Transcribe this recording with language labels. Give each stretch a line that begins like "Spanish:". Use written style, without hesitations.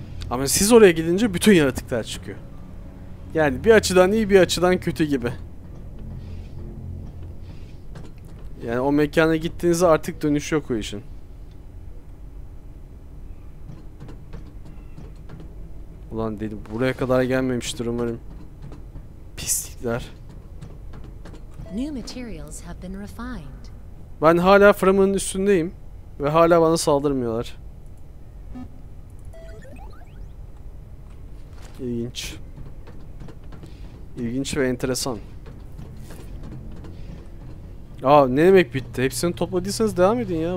Turkish: Ama siz oraya gidince bütün yaratıklar çıkıyor. Yani bir açıdan iyi, bir açıdan kötü gibi. Yani o mekana gittiğinizde artık dönüş yok o işin. Ulan dedim, buraya kadar gelmemiştir umarım. Pislikler.
English: New materials have been refined.
Turkish: Ben hala framının üstündeyim ve hala bana saldırmıyorlar. İlginç. İlginç ve enteresan. Aa, ne demek bitti? Hepsini topladıysanız devam edin ya.